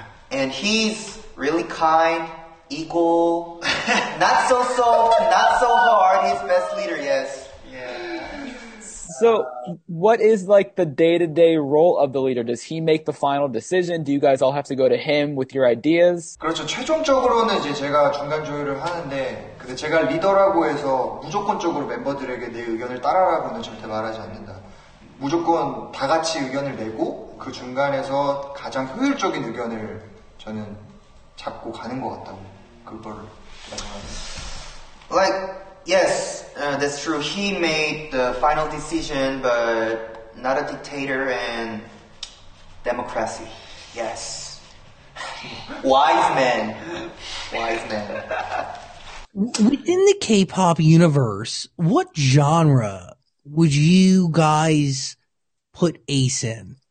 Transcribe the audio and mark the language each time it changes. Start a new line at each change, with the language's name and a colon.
English: And he's really kind, equal, not so soft, not so hard. He's best leader, yes. So what is like the day-to-day role of the leader? Does he make the final decision? Do you guys all have to go to him with your ideas?
Korean: 그렇죠. 최종적으로는 이제 제가 중간 조율을 하는데 근데 제가 리더라고 해서 무조건적으로 멤버들에게 내 의견을 따라라고는 절대 말하지 않는다. 무조건 다 같이 의견을 내고 그 중간에서 가장 효율적인 의견을 저는 잡고 가는 것 같다고 그걸
English: Like Yes, that's true. He made the final decision, but not a dictator and democracy. Yes. Wise man. Wise man. Within the K-pop universe, what genre would you guys put Ace in?